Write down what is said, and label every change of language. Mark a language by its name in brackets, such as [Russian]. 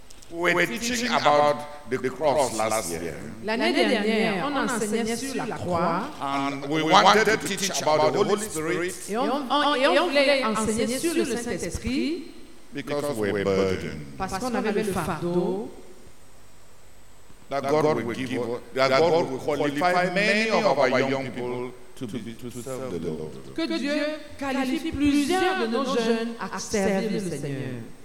[English] We were teaching about the cross last year. [French] L'année dernière, on enseignait sur la croix. [English] And we wanted to teach about the Holy Spirit. [French] Et on voulait enseigner sur le Saint-Esprit. [English] Because we were burdened. [French] Parce qu'on avait le fardeau. [English] That God will qualify many of our young people to serve the Lord. [French] Que Dieu qualifie plusieurs de nos jeunes à servir le Seigneur.